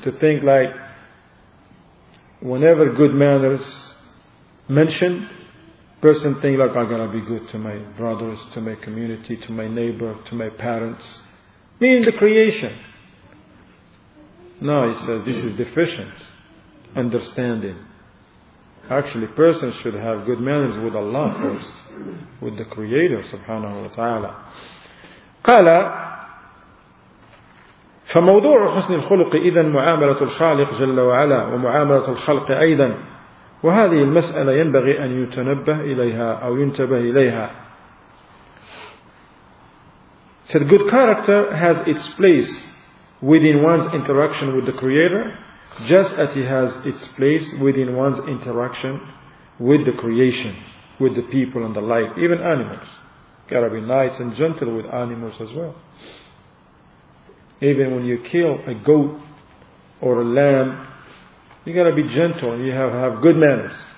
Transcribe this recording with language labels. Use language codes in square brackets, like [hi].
[en] To think like whenever good manners mentioned, person think like I'm going to be good to my brothers, to my community, to my neighbor, to my parents. Meaning the creation. No, he says this is deficient understanding. Actually, person should have good manners with Allah first, with the Creator, subhanahu wa ta'ala. [ar] Qala, فموضوع حسن الخلق إذن معاملة الخالق جل وعلا ومعاملة الخلق أيضا وهذه المسألة ينبغي أن يتنبه إليها أو ينتبه إليها. [en] Said good character has its place within one's interaction with the Creator, just as it has its place within one's interaction with the creation, with the people and the like, even animals. Gotta be nice and gentle with animals as well. Even when you kill a goat or a lamb, you gotta be gentle and you have to have good manners.